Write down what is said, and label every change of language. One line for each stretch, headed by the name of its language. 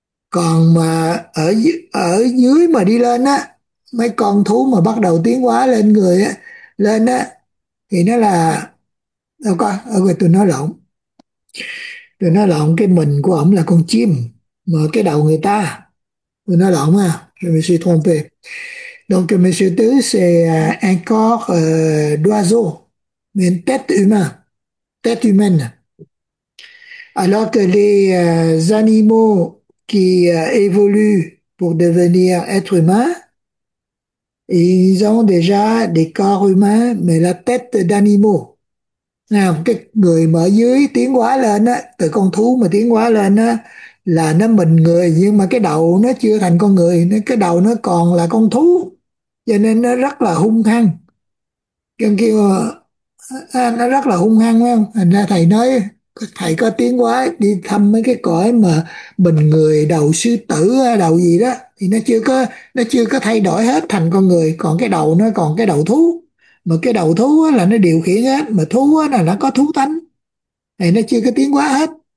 Vietnamese: Còn mà ở dưới mà đi lên á, mấy con thú mà bắt đầu tiến hóa lên người á, lên á, thì nó là đâu có ở người. Tôi nói lộn cái mình của ổng là con chim mà cái đầu người ta, tôi nói lộn à,
French: je me suis trompé. Donc monsieur Tứ c'est un corps d'oiseau mais tête humaine, alors que les animaux qui évoluent pour devenir être humain, ils ont déjà des corps humains, mais la tête d'animaux.
Vietnamese: Cái người mà ở dưới tiến hóa lên á, từ con thú mà tiến hóa lên á, là nó mình người, nhưng mà cái đầu nó chưa thành con người, cái đầu nó còn là con thú, cho nên nó rất là hung hăng. Kêu nó rất là hung hăng, phải không? Thành ra thầy nói, thầy có tiến hóa đi thăm mấy cái cõi mà mình người đầu sư tử đầu gì đó thì nó chưa có thay đổi hết thành con người, còn cái đầu nó còn cái đầu thú, mà cái đầu thú là nó điều khiển hết, mà thú là nó có thú tánh thì nó chưa có tiến hóa hết.